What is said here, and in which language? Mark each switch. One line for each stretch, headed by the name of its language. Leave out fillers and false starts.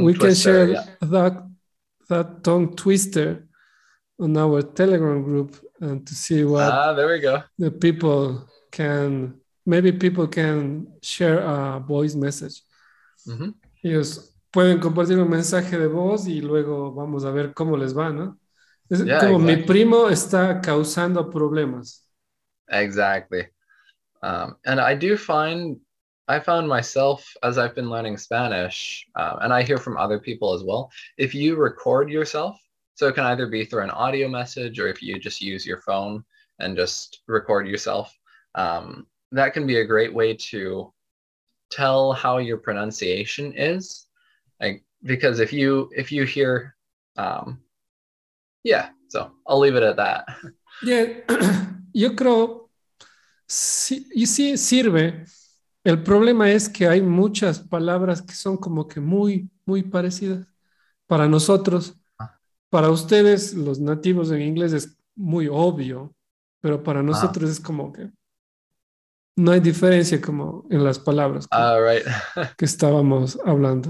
English: We can share that tongue twister on our Telegram group and to see what the people can, maybe people can share a voice message. Mm-hmm.
Spanish: Ellos pueden compartir un mensaje de voz y luego vamos a ver cómo les va, ¿no? Es como exactly. Mi primo está causando problemas.
English: Exactly. And I found myself, as I've been learning Spanish, and I hear from other people as well, if you record yourself, so it can either be through an audio message or if you just use your phone and just record yourself, that can be a great way to tell how your pronunciation is. Like, because if you hear, so I'll leave it at that.
Spanish: Yeah, yo creo, sí sirve. El problema es que hay muchas palabras que son como que muy, muy parecidas para nosotros. Para ustedes, los nativos en inglés, es muy obvio, pero para nosotros es como que no hay diferencia como en las palabras que estábamos hablando.